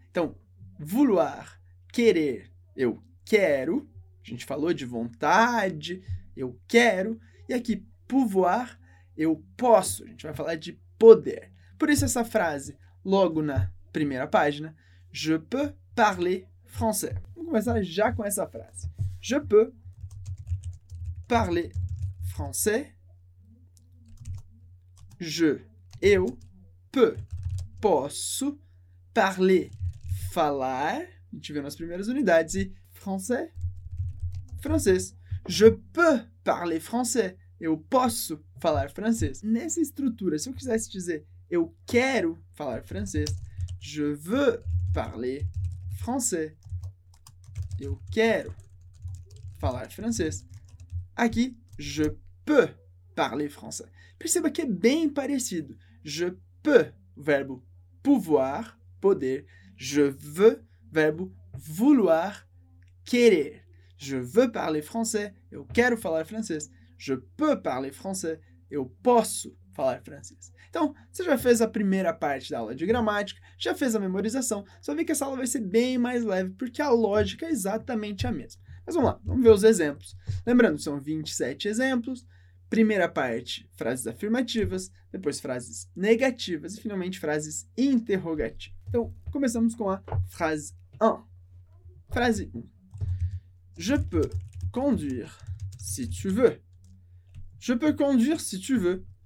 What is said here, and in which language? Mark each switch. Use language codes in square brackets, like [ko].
[pt] Então, vouloir, querer. Eu quero. A gente falou de vontade. Eu quero. E aqui, pouvoir, eu posso. A gente vai falar de poder. Por isso essa frase, logo na primeira página. [fr] Je peux parler. Français. [pt] Vamos começar já com essa frase. [fr] Je peux parler français. Je, eu, peux, posso, parler, falar. [pt] A gente viu nas primeiras unidades. E français, francês. [fr] Je peux parler français. [pt] Eu posso falar francês. Nessa estrutura, se eu quisesse dizer eu quero falar francês, [fr] je veux parler français. [pt] Eu quero falar francês. [fr] Aqui, je peux parler français. [pt] Perceba que é bem parecido. [fr] Je peux, verbo pouvoir, poder. Je veux, verbo vouloir, querer. Je veux parler français. [pt] Eu quero falar francês. [fr] Je peux parler français. [pt] Eu posso falar francês. Então, você já fez a primeira parte da aula de gramática, já fez a memorização, só vê que essa aula vai ser bem mais leve, porque a lógica é exatamente a mesma. Mas vamos lá, vamos ver os exemplos. Lembrando, são 27 exemplos, primeira parte, frases afirmativas, depois frases negativas e, finalmente, frases interrogativas. Então, começamos com a frase 1. Frase 1. [fr] Je peux conduire si tu veux. Je peux conduire si tu veux.